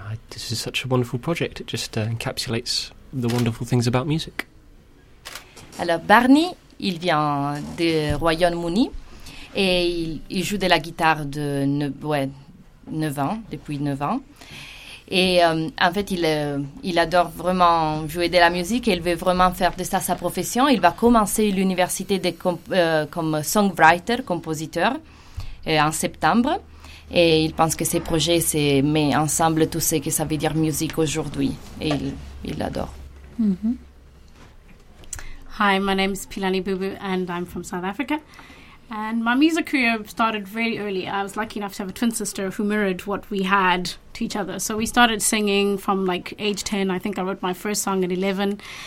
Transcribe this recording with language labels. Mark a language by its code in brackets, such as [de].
[en] This is such a wonderful project. It just encapsulates the wonderful things about music. [fr] Alors Barney, il vient du Royaume-Uni et il joue de la guitare de 9 ans. Et en fait, il adore vraiment jouer de la musique et il veut vraiment faire de ça sa profession. Il va commencer l'université comme songwriter, compositeur, en septembre. Et il pense que ses projets, c'est mettre ensemble tout ce que ça veut dire musique aujourd'hui. Et il adore. Mm-hmm. [en] Hi, my name is Pilani Bubu and I'm from South Africa. And my music career started very early. I was lucky enough to have a twin sister who mirrored what we had to each other. So we started singing from like age 10. I think I wrote my first song at 11.